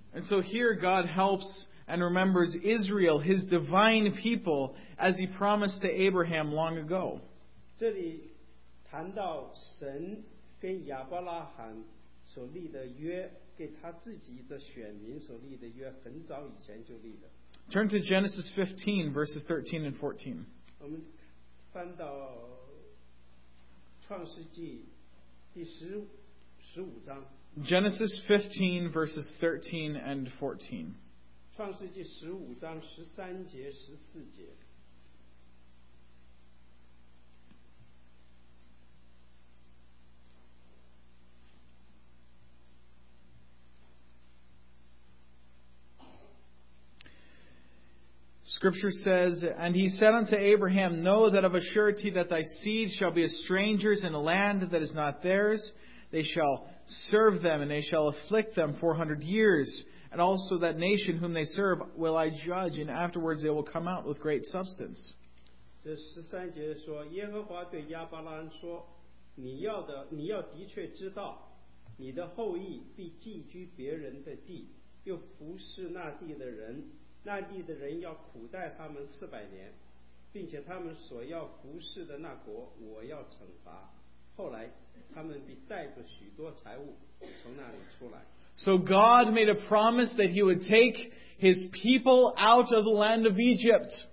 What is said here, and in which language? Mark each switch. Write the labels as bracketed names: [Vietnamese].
[English] And so here God helps and remembers Israel, His divine people, as He promised to Abraham long ago. [Chinese] 这里谈到神跟亚伯拉罕所立的约，给他自己的选民所立的约，很早以前就立的。 [English] Turn to Genesis 15, verses 13 and 14. [Chinese] 我们翻到创世纪第十五章。 [English] Genesis 15, verses 13 and 14. [Chinese] 创世纪十五章十三节十四节。 [English] Scripture says, And he said unto Abraham, Know that of a surety that thy seed shall be as strangers in a land that is not theirs. They shall serve them, and they shall afflict them 400 years. And also that nation whom they serve will I judge, and afterwards they will come out with great substance. [Chinese] 这十三节说，耶和华对亚伯拉罕说，你要的确知道，你的后裔必寄居别人的地，又服侍那地的人。那地的人要苦待他们四百年，并且他们所要服侍的那国我要惩罚。后来他们必带着许多财物从那里出来。 [English] So God made a promise that he would take his people out of the land of Egypt.